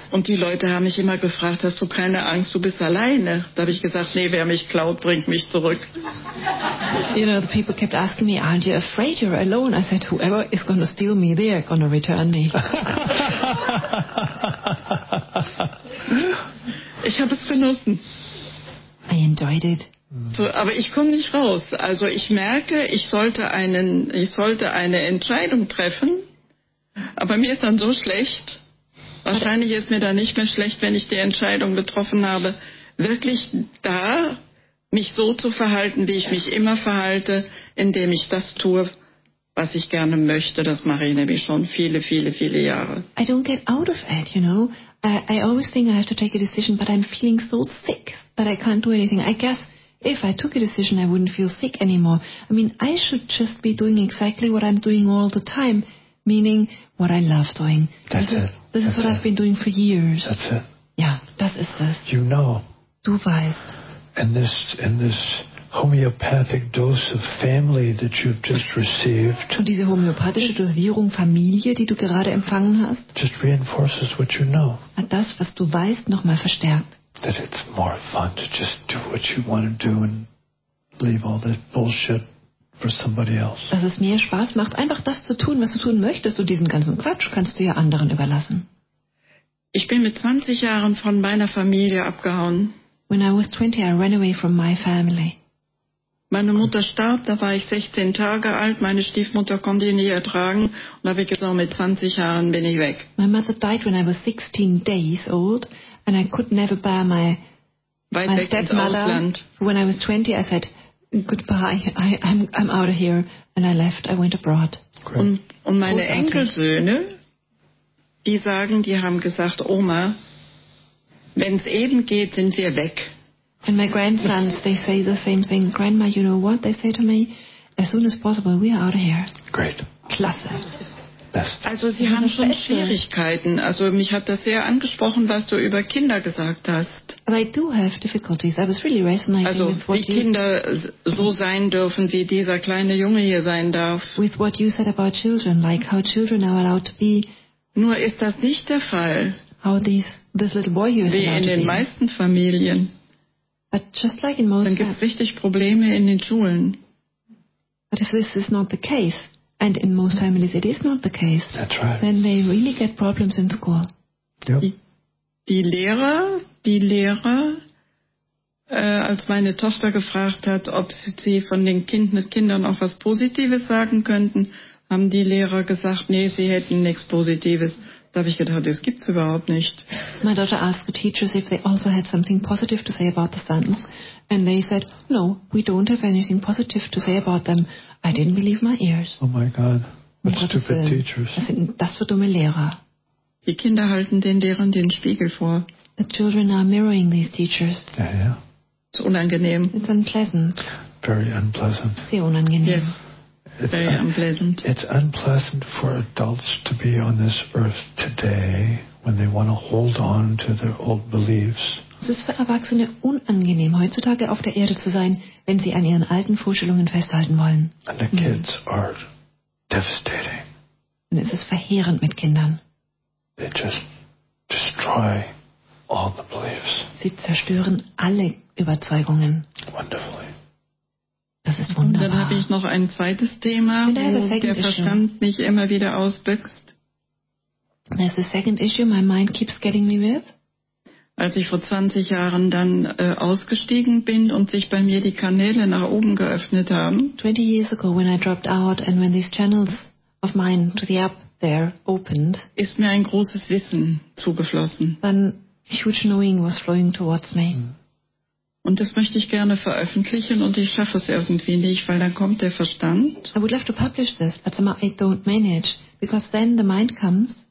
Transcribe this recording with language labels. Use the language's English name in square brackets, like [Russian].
[German] Und die Leute haben mich immer gefragt, hast du keine Angst, du bist alleine? Da habe ich gesagt, nee, wer mich klaut, bringt mich zurück. [English] You know, the people kept asking me, aren't you afraid you're alone? I said, whoever is going to steal me, they are going to return me. [German] Ich habe es genossen. [English] I enjoyed it. [German] So, aber ich komme nicht raus. Also ich merke, ich sollte eine Entscheidung treffen. Aber mir ist dann so schlecht. Wahrscheinlich ist mir dann nicht mehr schlecht, wenn ich die Entscheidung getroffen habe, wirklich da mich so zu verhalten, wie ich mich immer verhalte, indem ich das tue, was ich gerne möchte. Das mache ich nämlich schon viele, viele, viele Jahre. [English] I don't get out of it, you know. I always think I have to take a decision, but I'm feeling so sick that I can't do anything. I guess if I took a decision, I wouldn't feel sick anymore. I mean, I should just be doing exactly what I'm doing all the time, meaning what I love doing. That's it. I've been doing for years. That's it. Yeah, [German] das ist es. [English] You know. [German] Du weißt. [English] And this... homeopathic dose of family that you've just received. [German] Und diese homöopathische Dosierung Familie, die du gerade empfangen hast. [English] Just reinforces what you know. [German] Hat das, was du weißt, nochmal verstärkt. [English] That it's more fun to just do what you want to do and leave all this bullshit for somebody else. [German] Dass es mehr Spaß macht, einfach das zu tun, was du tun möchtest. Du diesen ganzen Quatsch kannst du ja anderen überlassen. Ich bin mit 20 Jahren von meiner Familie abgehauen. [English] When I was 20, I ran away from my family. [German] Meine Mutter starb, da war ich 16 Tage alt, meine Stiefmutter konnte ich nie ertragen und da habe ich gesagt, mit 20 Jahren bin ich weg. [English] My mother died when I was 16 days old and I could never bear my stepmother. So when I was 20 I said, goodbye, I'm out of here and I left, I went abroad. Great. [German] Und meine Enkelsöhne, die sagen, die haben gesagt, Oma, wenn es eben geht, sind wir weg. [English] And my grandsons, they say the same thing. Grandma, you know what they say to me? As soon as possible, we are out of here. Great. [German] Klasse. Also Sie haben schon Schwierigkeiten. Also mich hat das sehr angesprochen, was du über Kinder gesagt hast. [English] But I do have difficulties. I was really resonating [German] also, [English] with what you... [German] Also wie Kinder so sein dürfen, wie dieser kleine Junge hier sein darf. [English] With what you said about children, like how children are allowed to be. [German] Nur ist das nicht der Fall. [English] How this little boy here is allowed to be. [German] Wie in den meisten Familien. [English] But just like in most... [German] Dann gibt es richtig Probleme in den Schulen. [English] But if this is not the case... And in most families it is not the case. That's right. Then they really get problems in school. Yep. [German] Die Lehrer, als meine Tochter gefragt hat, ob sie von den Kindern auch was Positives sagen könnten, haben die Lehrer gesagt, nee, sie hätten nichts Positives. Da habe ich gedacht, das gibt's überhaupt nicht. [English] My daughter asked the teachers if they also had something positive to say about the sons. And they said, no, we don't have anything positive to say about them. I didn't believe my ears. Oh my God, what stupid teachers. [German] Das für dumme Lehrer. Die Kinder halten den Lehrern den Spiegel vor. [English] The children are mirroring these teachers. [German] Ja, ja. Es ist unangenehm. [English] It's unpleasant. Very unpleasant. [German] Sehr unangenehm. [English] Yes. Very unpleasant. It's unpleasant for adults to be on this earth today when they want to hold on to their old beliefs. [German] Es ist für Erwachsene unangenehm, heutzutage auf der Erde zu sein, wenn sie an ihren alten Vorstellungen festhalten wollen. [English] And the kids are devastating. [German] Und es ist verheerend mit Kindern. [English] They just destroy all the beliefs. [German] Sie zerstören alle Überzeugungen. [English] Wonderfully. [German] Das ist wunderbar. Und dann habe ich noch ein zweites Thema, wo der Verstand mich immer wieder ausbüchst. [English] There's a second issue my mind keeps getting me with. [German] Als ich vor 20 Jahren dann ausgestiegen bin und sich bei mir die Kanäle nach oben geöffnet haben. [English] 20 years ago when I dropped out and when these channels of mine to the up there opened. [German] Ist mir ein großes Wissen zugeflossen. [English] Then huge knowing was flowing towards me. [German] Und das möchte ich gerne veröffentlichen und ich schaffe es irgendwie nicht, weil dann kommt der Verstand. [English] I would love to publish this, but somehow I don't manage because then the mind comes.